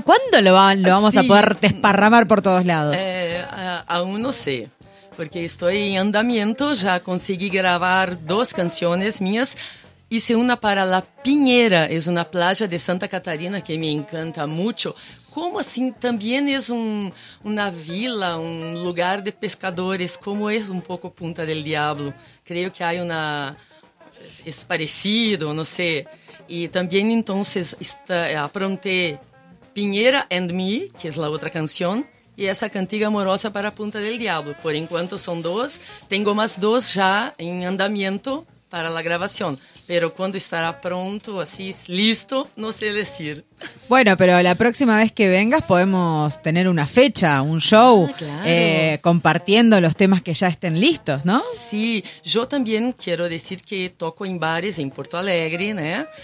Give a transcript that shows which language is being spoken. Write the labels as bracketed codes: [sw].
[es] ¿Cuándo lo vamos a poder desparramar por todos lados? Aún no sé. Porque estoy en andamiento. Ya conseguí grabar dos canciones mías. Hice una para La Piñera. Es una playa de Santa Catarina que me encanta mucho. [pt] Como assim, também é uma vila, um lugar de pescadores, como é um pouco Punta del Diablo. Creio que há uma... é parecido, não sei. E também, então, aprontei Pinheira and Me, que é a outra canção, e essa Cantiga Amorosa para Punta del Diablo. Por enquanto, são duas. Tenho mais duas já em andamento para a gravação. [es] Pero cuando estará pronto, así, listo, no sé decir. Bueno, pero la próxima vez que vengas podemos tener una fecha, un show, compartiendo los temas que ya estén listos, ¿no? Sí, yo también quiero decir que toco en bares en Porto Alegre, ¿no?